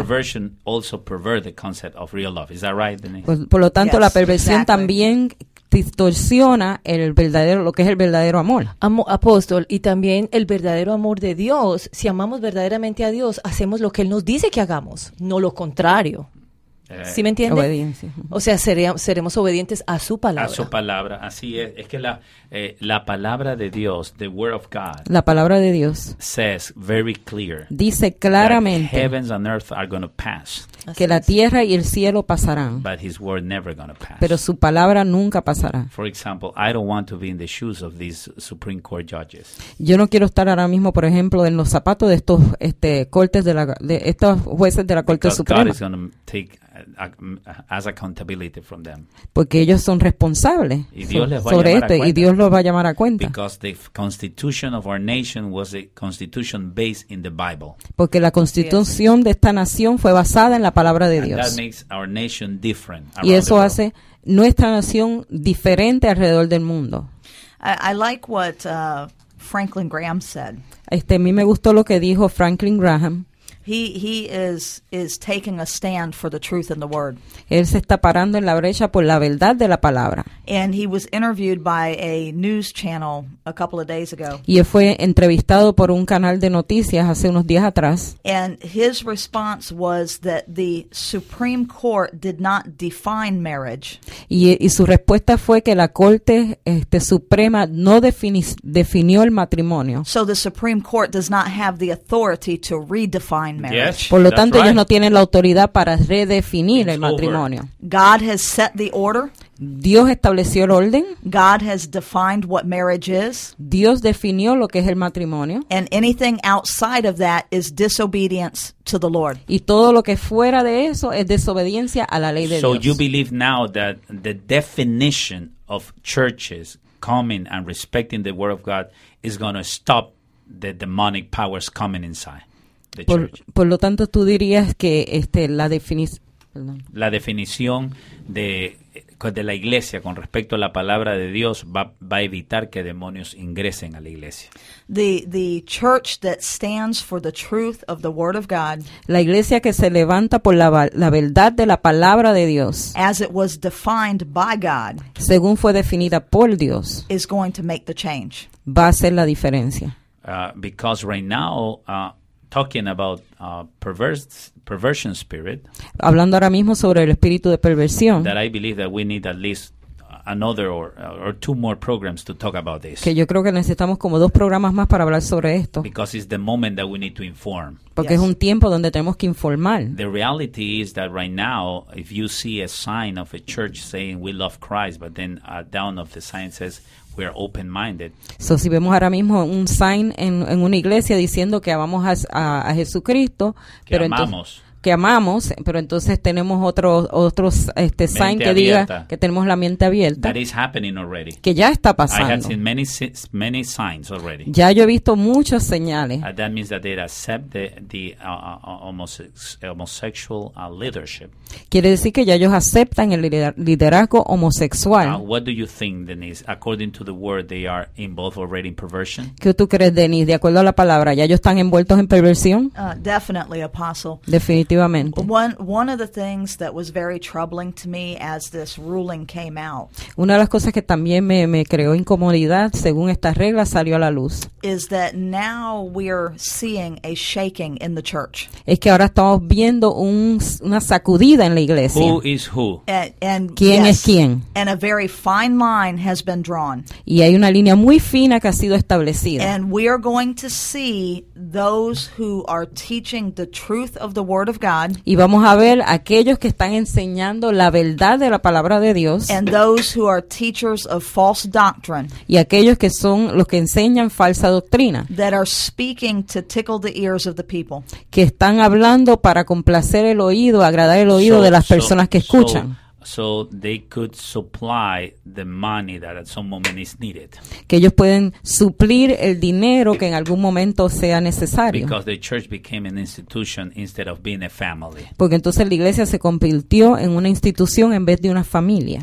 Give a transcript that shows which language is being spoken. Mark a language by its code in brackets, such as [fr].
[en] So perversion also pervert the concept of real love. Is that right, Denise? [es] Por lo tanto, [en] yes, [es] la perversión [en] exactly. [es] También distorsiona lo que es el verdadero amor. Apóstol, y también el verdadero amor de Dios. Si amamos verdaderamente a Dios, hacemos lo que Él nos dice que hagamos, no lo contrario. ¿Sí me entiende? Obediencia. O sea, seremos obedientes a su palabra. A su palabra. Así es. Es que la palabra de Dios, [en] the word of God. [es] La palabra de Dios. Says very clear. Dice claramente. [en] That heavens and earth are going to pass. [es] Que la tierra y el cielo pasarán. [en] But his word never going to pass. [es] Pero su palabra nunca pasará. [en] For example, I don't want to be in the shoes of these Supreme Court judges. [es] Yo no quiero estar ahora mismo, por ejemplo, en los zapatos de estos cortes de estos jueces de la Corte Suprema. [en] Because God is going to take as accountability from them. [es] Porque ellos son responsables sobre esto y Dios los va a llamar a cuenta. [en] Because the constitution of our nation was a constitution based in the Bible. [es] Porque la constitución de esta nación fue basada en la palabra de Dios. [en] And that makes our nation different around the world. [es] Y eso hace nuestra nación diferente alrededor del mundo. [en] I like what Franklin Graham said. [es] A mí me gustó lo que dijo Franklin Graham. [en] He is taking a stand for the truth in the word. [es] Él se está parando en la brecha por la verdad de la palabra. [en] And he was interviewed by a news channel a couple of days ago. [es] Y él fue entrevistado por un canal de noticias hace unos días atrás. [en] And his response was that the Supreme Court did not define marriage. [es] Y su respuesta fue que la Corte Suprema no definió el matrimonio. [en] So the Supreme Court does not have the authority to redefine. Yes, [es] por lo tanto, [en] right. [es] Ellos no tienen la autoridad para redefinir el matrimonio. [en] God has set the order. [es] Dios estableció el orden. [en] God has defined what marriage is. [es] Dios definió lo que es el matrimonio. [en] And anything outside of that is disobedience to the Lord. [es] Y todo lo que fuera de eso es desobediencia a la ley de [en] so [es] Dios. [en] So you believe now that the definition of churches coming and respecting the word of God is going to stop the demonic powers coming inside. [es] Por lo tanto, tú dirías que la definición de la iglesia con respecto a la palabra de Dios va a evitar que demonios ingresen a la iglesia. [en] The church that stands for the truth of the word of God. [es] La iglesia que se levanta por la verdad de la palabra de Dios. [en] As it was defined by God. [es] Según fue definida por Dios. [en] Is going to make the change. [es] Va a hacer la diferencia. [en] Because right now. Talking about perversion spirit. [es] Hablando ahora mismo sobre el espíritu de perversión. [en] That I believe that we need at least another or two more programs to talk about this. [es] Que yo creo que necesitamos como dos programas más para hablar sobre esto. [en] Because it's the moment that we need to inform. [es] Porque [en] yes. [es] Es un tiempo donde tenemos que informar. [en] The reality is that right now, if you see a sign of a church saying we love Christ, but then down of the sign says we are open-minded. So [es] si vemos ahora mismo un sign en una iglesia diciendo que amamos a Jesucristo, que pero amamos. Que amamos, pero entonces tenemos otro sign mente que abierta. Diga que tenemos la mente abierta. [en] That is happening already. [es] Que ya está pasando. [en] I have seen many signs already. [es] Ya yo he visto muchas señales. [en] That means that they accept the homosexual leadership. [es] Quiere decir que ya ellos aceptan el liderazgo homosexual. [en] Now, what do you think, Denise? According to the word, they are involved already in perversion? [es] ¿Qué tú crees, Denise? De acuerdo a la palabra, ¿ya ellos están envueltos en perversión? [en] Definitely, apostle. One of the things that was very troubling to me as this ruling came out. [es] Una de las cosas que también me creó incomodidad según estas reglas salió a la luz. [en] Is that now we are seeing a shaking in the church? [es] Es que ahora estamos viendo una sacudida en la iglesia. [en] Who is who? And [es] quién [en] yes, [es] es quién? [en] And a very fine line has been drawn. [es] Y hay una línea muy fina que ha sido establecida. [en] And we are going to see those who are teaching the truth of the Word of God. [es] Y vamos a ver aquellos que están enseñando la verdad de la palabra de Dios. [en] And those who are teachers of false doctrine. [es] Y aquellos que son los que enseñan falsa doctrina. [en] That are speaking to tickle the ears of the people. [es] Que están hablando para complacer el oído, agradar el oído de las personas que escuchan. [en] So they could supply the money that at some moment is needed. [es] Que ellos pueden suplir el dinero que en algún momento sea necesario. [en] Because the church became an institution instead of being a family. [es] Porque entonces la iglesia se convirtió en una institución en vez de una familia.